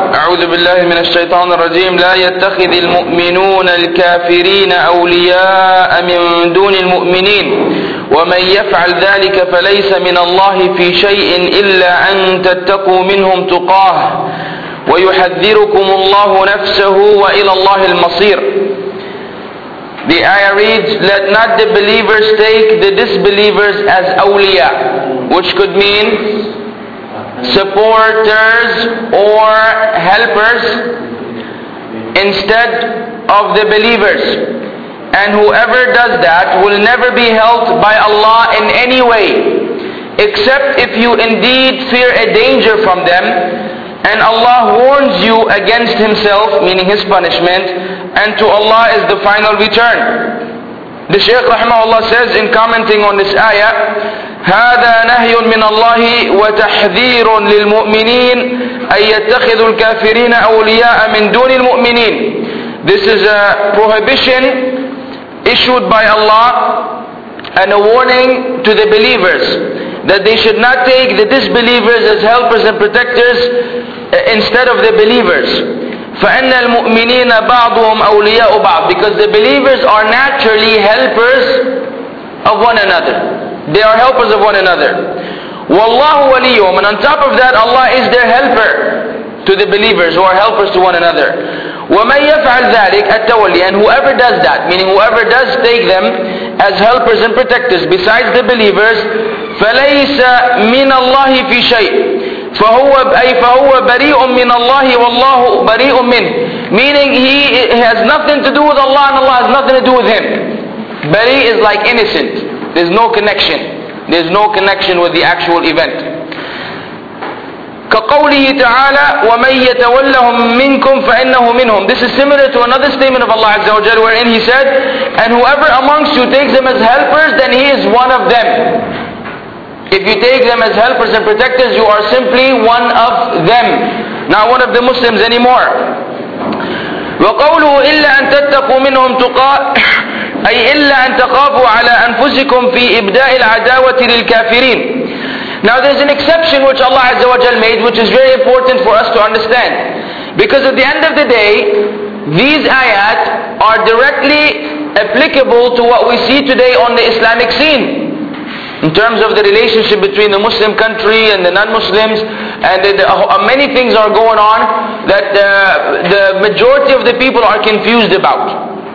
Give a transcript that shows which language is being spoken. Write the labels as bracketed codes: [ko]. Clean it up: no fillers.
[ar] أعوذ بالله من الشيطان الرجيم. لا يتخذ المؤمنون الكافرين أولياء من دون المؤمنين، ومن يفعل ذلك فليس من الله في شيء إلا أن تتقوا منهم تقاه، ويحذركم الله نفسه، وإلى الله المصير. [en] The ayah reads, let not the believers take the disbelievers as awliya, which could mean supporters or helpers instead of the believers. And whoever does that will never be helped by Allah in any way, except if you indeed fear a danger from them, and Allah warns you against Himself, meaning His punishment, and to Allah is the final return. The Shaykh rahimahullah says in commenting on this ayah, [ar] هذا نهي من الله وتحذير للمؤمنين أن يتخذوا الكافرين أولياء من دون المؤمنين. [en] This is a prohibition issued by Allah and a warning to the believers that they should not take the disbelievers as helpers and protectors instead of the believers. [ar] فَإِنَّ الْمُؤْمِنِينَ بَعْضُهُمْ أَوْلِيَاءُ بَعْضٍ. [en] Because the believers are naturally helpers of one another. They are helpers of one another. [ar] وَاللَّهُ وَلِيُّهُمْ. [en] And on top of that, Allah is their helper to the believers who are helpers to one another. [ar] وَمَنْ يَفْعَلْ ذَلِكَ التَّوَلِّي. [en] And whoever does that, meaning whoever does take them as helpers and protectors besides the believers, [ar] فَلَيْسَ مِنَ اللَّهِ فِي شَيْءٍ. فهو بريء من الله والله بريء منه. [en] Meaning he has nothing to do with Allah and Allah has nothing to do with him. بريء is like innocent. There's no connection. There's no connection with the actual event. [ar] كقوله تعالى ومن يتولهم منكم فإنه منهم. [en] This is similar to another statement of Allah Azza wa Jalla wherein he said, and whoever amongst you takes them as helpers, then he is one of them. If you take them as helpers and protectors, you are simply one of them, not one of the Muslims anymore. [ar] وقوله إلا أن تتقوا منهم تقاء أي إلا أن تقابوا على أنفسكم في إبداء العداوة للكافرين. [en] Now there's an exception which Allah Azza wa Jalla made, which is very important for us to understand. Because at the end of the day, these ayat are directly applicable to what we see today on the Islamic scene. In terms of the relationship between the Muslim country and the non-Muslims, and many things are going on that the majority of the people are confused about.